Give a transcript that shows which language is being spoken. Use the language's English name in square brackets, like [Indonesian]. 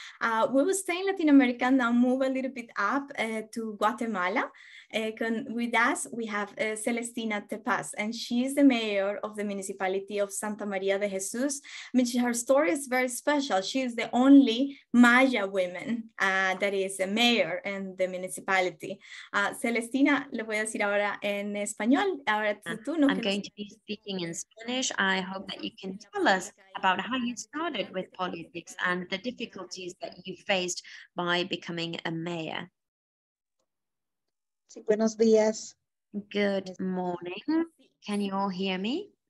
[English] We will stay in Latin America now, move a little bit up to Guatemala. With us, we have Celestina Tepaz, and she's the mayor of the municipality of Santa Maria de Jesus. I mean, her story is very special. She is the only Maya woman that is a mayor in the municipality. [Spanish] Celestina, le voy a decir ahora en español. Ahora tú no. [English] I'm going to be speaking in Spanish. I hope that you can tell us about how you started with politics and the difficulties that you faced by becoming a mayor. [Spanish] Sí, buenos días. [English] Good morning. Can you all hear me?